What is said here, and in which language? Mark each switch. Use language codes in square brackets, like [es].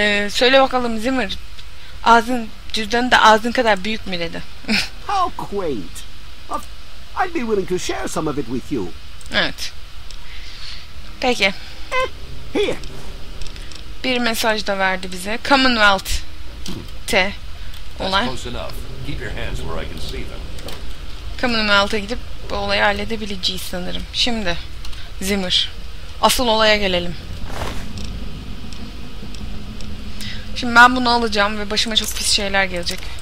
[tr] söyle bakalım Zimmer. Ağzın cüzdanı da ağzın kadar büyük mü dedi. [en] How quaint. I'd be willing to share some of it with you. [tr] Evet. Peki. [en] Here. [tr] Bir mesaj da verdi bize. Commonwealth'te olay. [en] That's close enough. Keep your hands where I can see them. [tr] Commonwealth'a gidip bu olayı halledebileceğiz sanırım. Şimdi Zimmer. Asıl olaya gelelim. Şimdi ben bunu alacağım ve başıma çok pis şeyler gelecek.